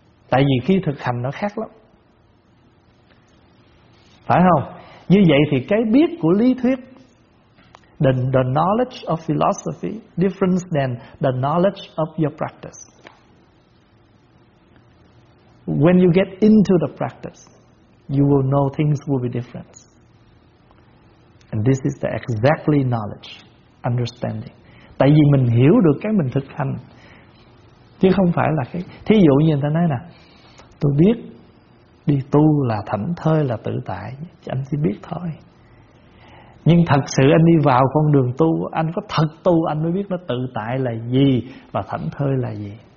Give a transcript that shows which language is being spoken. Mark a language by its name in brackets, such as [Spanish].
[Vietnamese] Tại vì khi thực hành nó khác lắm, phải không? Như vậy thì cái biết của lý thuyết, [English] the knowledge of philosophy, difference than the knowledge of your practice. When you get into the practice, you will know things will be different. And this is the exactly knowledge, understanding. [Vietnamese] Tại vì mình hiểu được cái mình thực hành, chứ không phải là cái. Thí dụ như người ta nói nè: tôi biết đi tu là thảnh thơi, là tự tại, anh chỉ biết thôi. Nhưng thật sự anh đi vào con đường tu, anh có thật tu anh mới biết nó tự tại là gì và thảnh thơi là gì.